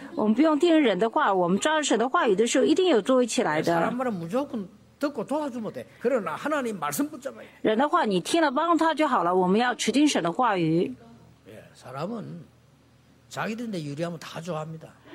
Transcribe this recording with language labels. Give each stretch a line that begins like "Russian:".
Chinese: 我们不用听人的话，我们抓着神的话语的时候，一定有做起来的。
Korean: 사람 말은 무조건 듣고 도와주면 돼. 그러나 하나님 말씀 붙잡아요.
Chinese: 人的话你听了帮他就好了，我们要持定神的话语。
Korean: 사람은 자기들인데 유리하면 다 좋아합니다.